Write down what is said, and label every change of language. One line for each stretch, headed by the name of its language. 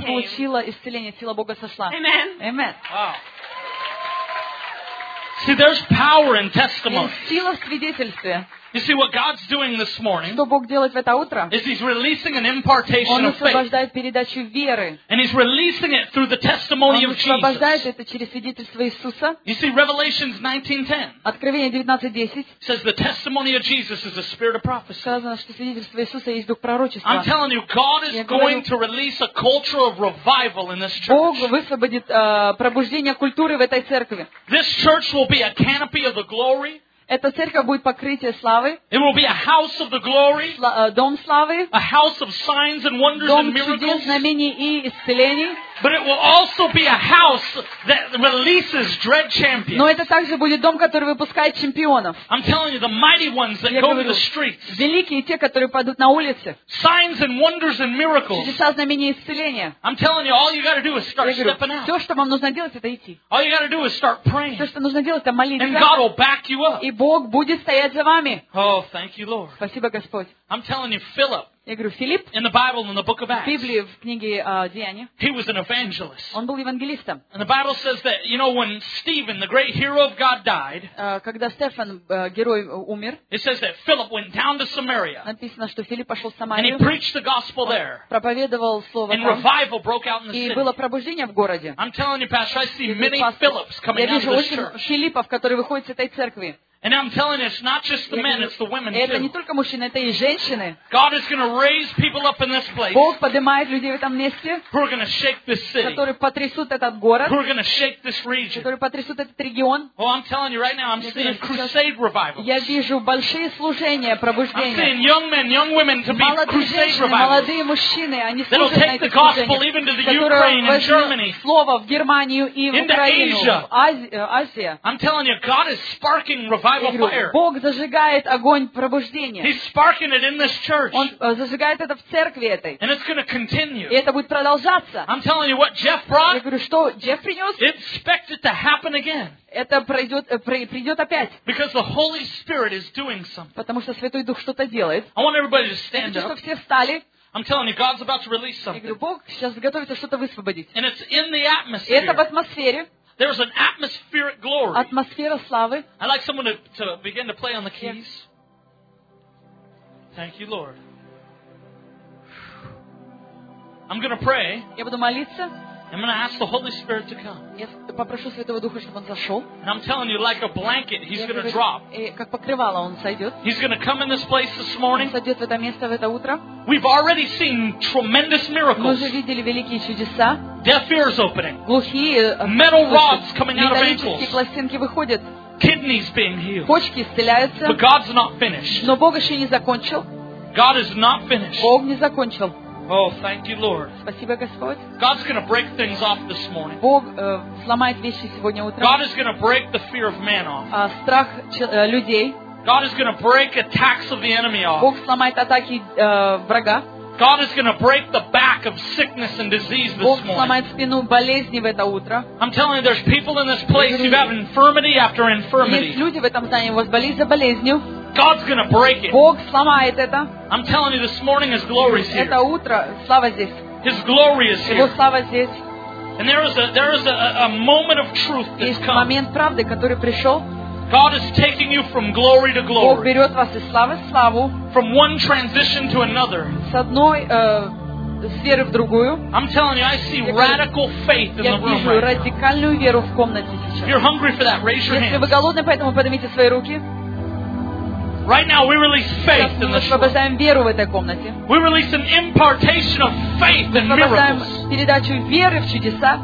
English: came.
Russian: Получила исцеление, сила Бога сошла.
English: Amen. Amen. Wow. See, there's power in testimony.
Russian: И сила в свидетельстве.
English: You see what God's doing this morning?
Russian: Что Бог делает в это утро?
English: Is He's releasing an impartation of faith?
Russian: Он освобождает передачу веры.
English: And He's releasing it through the testimony of Jesus.
Russian: Он освобождает это через свидетельство Иисуса.
English: You see Revelations 19:10.
Russian: Откровение 19:10.
English: Says the testimony of Jesus is the spirit of prophecy.
Russian: Сказано, что свидетельство Иисуса есть дух пророчества.
English: I'm telling you, God is going to release a culture of revival in this church.
Russian: Бог высвободит пробуждение культуры в этой церкви.
English: This church will be a canopy of the glory.
Russian: Эта церковь будет покрытие славы.
English: It will be a house of the glory.
Russian: Дом славы.
English: A house of signs and wonders and miracles.
Russian: Дом чудес, знамений и исцелений.
English: But it will also be a house that releases dread champions.
Russian: Но это также будет дом, который выпускает чемпионов.
English: I'm telling you, the mighty ones that go to the streets.
Russian: Великие те, которые пойдут на улицы.
English: Signs and wonders and miracles.
Russian: Чудеса, знамения и исцеления.
English: I'm telling you, all you got to do is start stepping out.
Russian: Все, что вам нужно делать, это идти.
English: All you got to do is start praying.
Russian: Все, что нужно делать, это молиться.
English: And God will back you up.
Russian: И Бог будет стоять за вами.
English: Oh, thank you, Lord.
Russian: Спасибо, Господь.
English: I'm telling you, Philip.
Russian: Я говорю, Филипп,
English: in the Bible, in the book of Acts,
Russian: в Библии, в книге Деяния,
English: he was an evangelist.
Russian: Он был евангелистом.
English: And the Bible says that, you know, when Stephen, the great hero of God, died,
Russian: когда Стефан, герой, умер,
English: it says that Philip went down to Samaria.
Russian: Написано, что Филипп пошел в Самарию,
English: and he preached the gospel there.
Russian: Проповедовал слово там,
English: and revival broke out in the city.
Russian: И было пробуждение в городе.
English: I'm telling you, Pastor, I see many Philips coming out of this church.
Russian: Я вижу очень Филиппов, которые выходят из этой церкви.
English: And I'm telling you, it's not just the men, it's the women too.
Russian: Это не только мужчины, это и женщины.
English: God is going to raise people up in this place.
Russian: Бог поднимает людей в этом месте.
English: Who are going to shake this city?
Russian: Которые потрясут этот город.
English: Who are going to shake this region?
Russian: Которые потрясут этот регион.
English: Oh, I'm telling you right now, I'm seeing crusade revivals.
Russian: Я вижу большие служения, пробуждения.
English: I'm seeing young men, young women to be crusade revivals.
Russian: Молодые мужчины, они служат на этих служениях.
English: They'll take the gospel even to the Ukraine and Germany.
Russian: Слово в Германию и в Украину, в Азию.
English: I'm telling you, God is sparking revival.
Russian: Бог зажигает огонь пробуждения.
English: He's sparking it in this church.
Russian: Он зажигает это в церкви этой.
English: And it's going to continue.
Russian: И это будет продолжаться.
English: I'm telling you what Jeff brought.
Russian: Я говорю, что Джефф принес?
English: Expect it to happen again.
Russian: Это придет опять.
English: Because the Holy Spirit is doing something.
Russian: Потому что Святой Дух что-то делает.
English: I want everybody to stand up.
Russian: Хочу, чтобы все встали.
English: I'm telling you, God's about to release something.
Russian: Я говорю, Бог сейчас готовится что-то высвободить.
English: And it's in the atmosphere.
Russian: Это в атмосфере.
English: There's an atmospheric glory.
Russian: Атмосфера славы.
English: I'd like someone to begin to play on the keys. Yes. Thank you, Lord. I'm going to pray.
Russian: Я буду молиться.
English: I'm going to ask the Holy Spirit to come.
Russian: Я попрошу Святого Духа, чтобы он зашел.
English: And I'm telling you, like a blanket, he's going to drop.
Russian: Как покрывало он сойдет.
English: He's going to come in this place this morning.
Russian: Он сойдет в это место в это утро.
English: We've already seen tremendous miracles.
Russian: Мы уже видели великие чудеса.
English: Deaf ears opening.
Russian: Глухие.
English: Metal rods coming out of ankles.
Russian: Металлические пластинки выходят.
English: Kidneys being healed.
Russian: Почки исцеляются.
English: But God's not finished.
Russian: Но Бог еще не закончил.
English: God is not finished.
Russian: Бог не закончил.
English: Oh, thank you, Lord.
Russian: Спасибо, Господь.
English: God's going to break things off this morning.
Russian: Бог сломает вещи сегодня утром.
English: God is going to break the fear of man off.
Russian: Страх людей.
English: God is going to break attacks of the enemy off.
Russian: Бог сломает атаки врага.
English: God is going to break the back of sickness and disease this morning.
Russian: Бог сломает спину болезни в это утро.
English: I'm telling you, there's people in this place who have infirmity after infirmity.
Russian: Есть люди в этом здании, у вас болезнь за болезнью.
English: God's going to break it.
Russian: Бог сломает это.
English: I'm telling you, this morning His glory is here.
Russian: Это утро, слава здесь.
English: His glory is here.
Russian: Его слава здесь.
English: And there is a moment of truth that's come.
Russian: Есть момент правды, который пришел.
English: God is taking you from glory to glory.
Russian: Бог берет вас из славы в славу.
English: From one transition to another.
Russian: С одной сферы в другую.
English: I'm telling you, I see radical faith in the room.
Russian: Я вижу радикальную веру в комнате сейчас.
English: If you're hungry for that, raise your hands.
Russian: Если вы голодны, поэтому поднимите свои руки.
English: Right now we release faith in this room.
Russian: Мы освобождаем веру в этой комнате.
English: We release an impartation of faith and miracles.
Russian: Мы освобождаем передачу веры в чудеса.